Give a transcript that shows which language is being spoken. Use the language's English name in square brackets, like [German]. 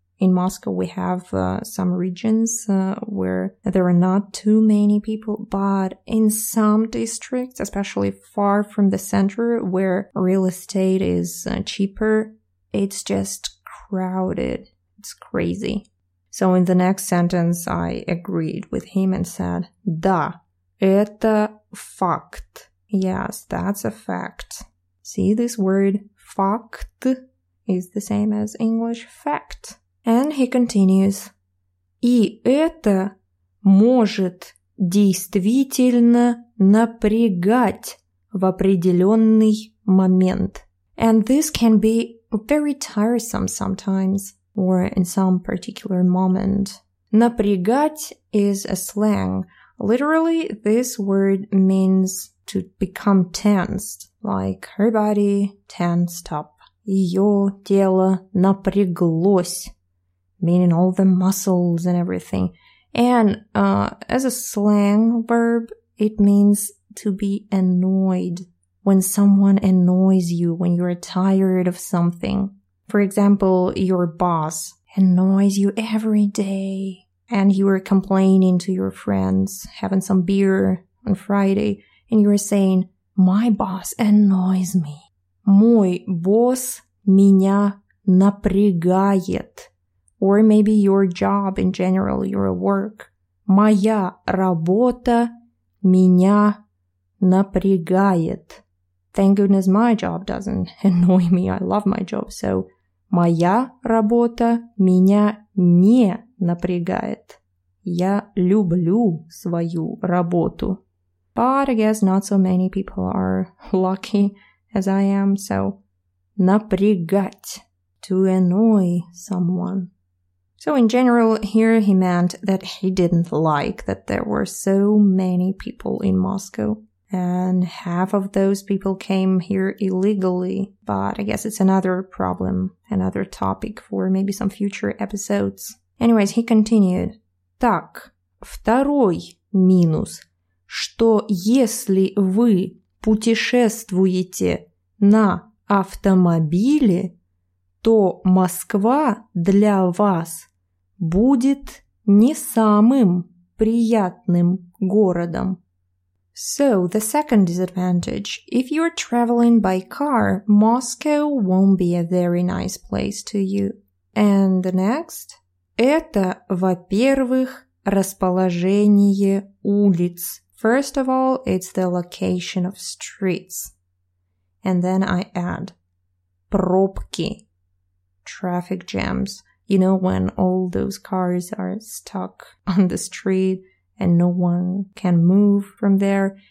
[English] In Moscow, we have some regions where there are not too many people, but in some districts, especially far from the center where real estate is cheaper, it's just crowded. It's crazy. So in the next sentence, I agreed with him and said, Да, [Russian] это факт. [English] Yes, that's a fact. See, this word факт is the same as English fact. And he continues, [Russian] И это может действительно напрягать в определенный момент. [English] And this can be very tiresome sometimes, or in some particular moment. Напрягать is a slang. Literally, this word means to become tensed, like her body tensed up. [Russian] Ее тело напряглось. [English] Meaning all the muscles and everything. And as a slang verb, it means to be annoyed. When someone annoys you, when you're tired of something. For example, your boss annoys you every day. And you are complaining to your friends, having some beer on Friday. And you are saying, my boss annoys me. [Russian] Мой босс меня напрягает. [English] Or maybe your job in general, your work. [Russian] Моя работа меня напрягает. [English] Thank goodness my job doesn't annoy me. I love my job. So, [Russian] моя работа меня не напрягает. Я люблю свою работу. [English] But I guess not so many people are lucky as I am. So, [Russian] напрягать. [English] To annoy someone. So in general, here he meant that he didn't like that there were so many people in Moscow. And half of those people came here illegally. But I guess it's another problem, another topic for maybe some future episodes. Anyways, he continued. [Russian] Так, второй минус, что если вы путешествуете на автомобиле, то Москва для вас будет не самым приятным городом. [English] So, the second disadvantage. If you're traveling by car, Moscow won't be a very nice place to you. And the next? [Russian] Это, во-первых, расположение улиц. [English] First of all, it's the location of streets. And then I add пробки, traffic jams. You know, when all those cars are stuck on the street and no one can move from there.